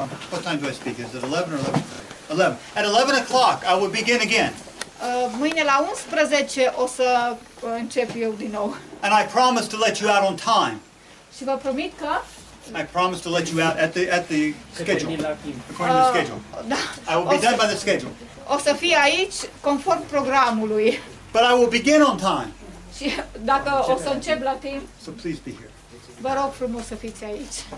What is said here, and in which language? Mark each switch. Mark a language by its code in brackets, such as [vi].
[en] What time do I speak? Is it 11 or 11:30? 11. At 11 o'clock I will begin again. [ro] Mâine la 11 o să încep eu din nou. [en] And I promise to let you out on time. [ro] Și vă promit că [en] I promise to let you out at the schedule. According to the schedule. [ro] Da, [en] I will be done by the schedule. [ro] O să fie aici conform programului. [en] But I will begin on time. [ro] Și dacă o să încep la timp. [en] So please be here. [ro] Vă rog frumos să fiți aici.